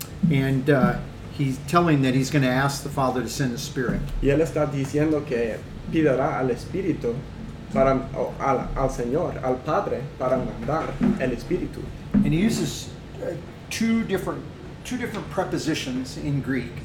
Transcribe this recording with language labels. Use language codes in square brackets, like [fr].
[en] And he's telling that he's going to ask the Father to send the Spirit. [es] Y él está diciendo que pidará al Espíritu. Para, al Señor, al Padre, para mandar el Espíritu. [en] And he uses two different prepositions in Greek.